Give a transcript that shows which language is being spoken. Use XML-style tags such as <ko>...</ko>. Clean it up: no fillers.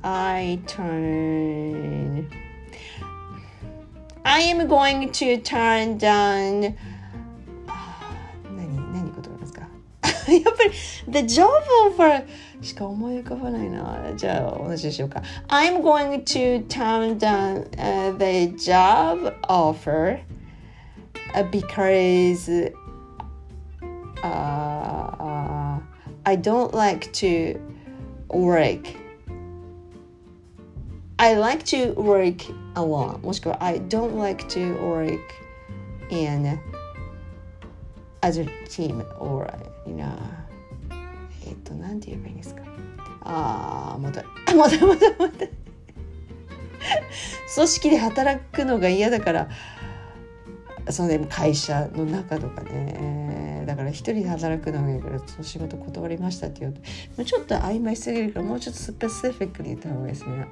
<en>I turn。 I am going to turn down.</en> <ja>何言葉ですか。やっぱり</ja> <en>the job offer</en> <ja>しか思い浮かばないな。じゃあ同じでしょうか。</ja> <en>I'm going to turn down the job offer because I don't like to work. I like to work alone.</en> <ja>もしくは</ja> <en>I don't like to work in as a team or you know.</en> <ja>なんて言えばいいんですか。また。組織で働くのが嫌だから、そのでも会社の中とかね。だから一人で働くのがいいからその仕事断りましたって言うと、もうちょっと曖昧すぎるからもうちょっとスペシフィックに言った方がいいですね。</ja>